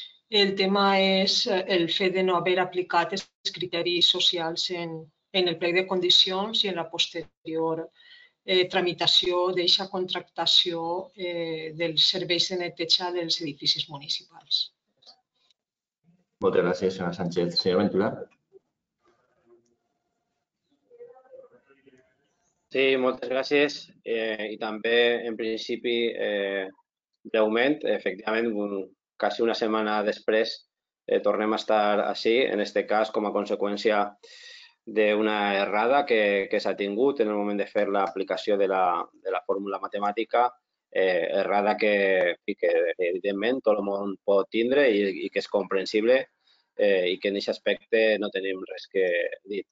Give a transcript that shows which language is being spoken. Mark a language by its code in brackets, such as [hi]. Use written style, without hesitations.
[ca] El tema és el fet de no haver aplicat els criteris socials en el plec de condicions i en la posterior tramitació d'aquesta contractació dels serveis de neteja dels edificis municipals. [es] Muchas gracias, señora Sánchez. Señor Ventura. Sí, muchas gracias. Y también, en principio, breument, efectivamente, casi una semana después, [ca] tornem a estar [es] así, en este caso, como consecuencia [ca] d'una errada que s'ha tingut en el moment de fer l'aplicació de la fórmula matemàtica, errada que evidentment tot el món pot tindre i que és comprensible i que en aquest aspecte no tenim res que dir.